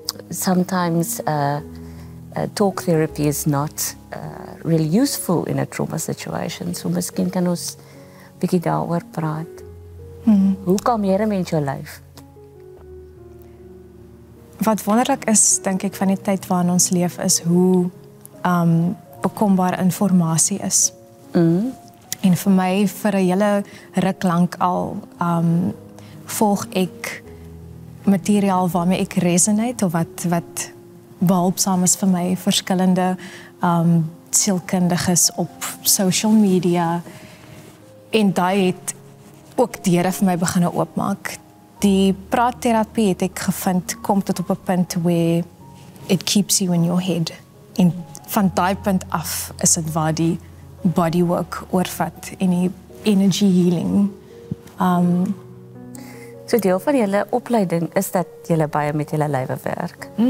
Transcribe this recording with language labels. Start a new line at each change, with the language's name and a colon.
English: Sometimes talk therapy is not really useful in a trauma situation.
Afrikaans: So miskien kan ons bietjie daaroor praat. Hoe kan meer 'n mens jou lyf? Wat wonderlik is, dink ek, van die tyd waarin ons leef, is hoe bekombaar informasie is. En vir my, vir 'n hele ruk lank al, volg ek materiaal waarmee ek resonate of wat behulpzaam is vir my, verskillende sielkundiges op social media, en die het ook deure vir my beginne oopmaak. Die praattherapie het ek gevind kom tot op 'n punt
English: where it keeps you in your head,
Afrikaans: en van die punt af is dit waar die bodywork oorvat en die energy healing. So deel van julle opleiding is dat julle baie met julle lywe werk.